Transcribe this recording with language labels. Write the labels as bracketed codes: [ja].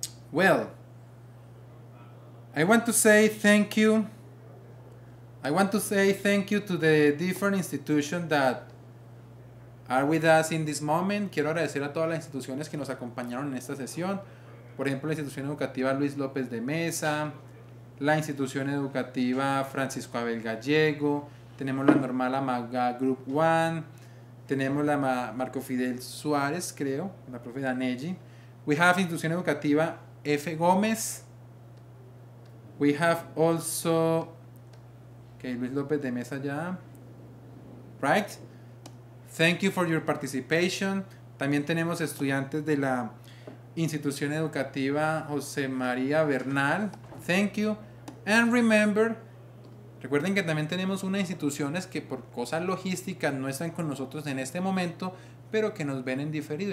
[en] Well, I want to say thank you. I want to say thank you to the different institutions that are with us in this moment. [es] Quiero agradecer a todas las instituciones que nos acompañaron en esta sesión. Por ejemplo, la institución educativa Luis López de Mesa, la institución educativa Francisco Abel Gallego, tenemos la normal Amaga Group One, tenemos la Marco Fidel Suárez, creo, la profe Danelli. [en] We have institución educativa F. Gómez. We have also, okay, Luis López de Mesa ya, right? Thank you for your participation. [es] También tenemos estudiantes de la institución educativa José María Bernal. Thank you. And remember, recuerden que también tenemos unas instituciones que por cosas logísticas no están con nosotros en este momento, pero que nos ven en diferido.